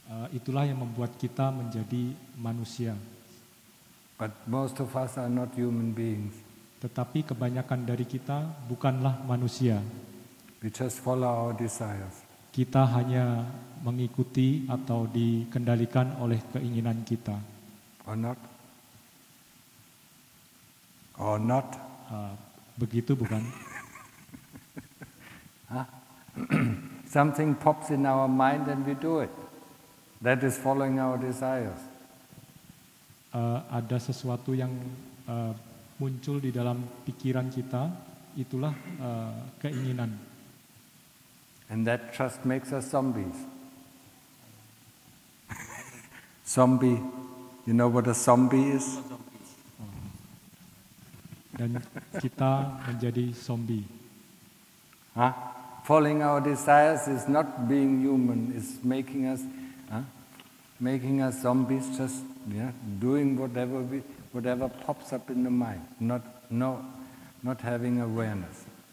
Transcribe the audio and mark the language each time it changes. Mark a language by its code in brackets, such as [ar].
[id] Itulah yang membuat kita menjadi manusia. [en] But most of us are not human beings. [id] Tetapi kebanyakan dari kita bukanlah manusia. [en] We just follow our desires. [id] Kita hanya mengikuti atau dikendalikan oleh keinginan kita. [en] Or not? Or not? [id] Begitu bukan? [en] Something pops in our mind and we do it. That is following our desires. [id] Ada sesuatu yang muncul di dalam pikiran kita, itulah keinginan. [en] And that trust makes us zombies. Zombie, you know what a zombie is? [id] Dan kita menjadi zombie. Huh? [en] Following our desires is not being human, it's making us zombies, just doing whatever pops up in the mind, not having awareness.